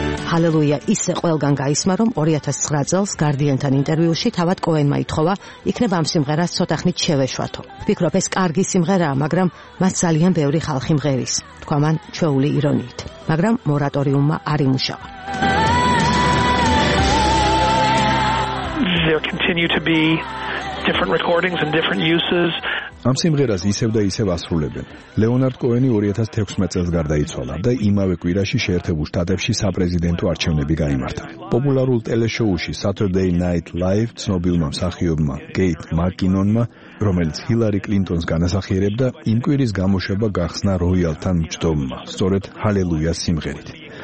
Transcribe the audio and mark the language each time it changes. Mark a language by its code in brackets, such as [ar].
[ka] Halleluja ისე ყველგან გაისმა, რომ 2009 წელს Guardian-თან ინტერვიუში თავად კოენმა ითხოვა, იქნებ ამ სიმღერას ცოტა ხნით შევეშვათო. ვფიქრობ, ეს კარგი სიმღერაა, მაგრამ მას ძალიან ბევრი ხალხი მღერის, თქვა მან ჩვეული ირონიით. მაგრამ მორატორიუმმა არ იმუშავა. [en] There continue to be different recordings and different uses. [ka] ამ სიმღერას ისევ და ისევ ასრულებენ. ლეონარდ კოენი 2016 წელს გარდაიცვალა და იმავე კვირაში შეერთებულ შტატებში საპრეზიდენტო არჩევნები გაიმართა. პოპულარულ ტელეშოუში Saturday Night Live ცნობილმა მსახიობმა გეით მაკინონმა, რომელიც ჰილარი კლინტონს განასახიერებდა, იმ კვირის გამოშვება გახსნა როიალთან მჯდომმა, სწორედ Halleluja სიმღერით.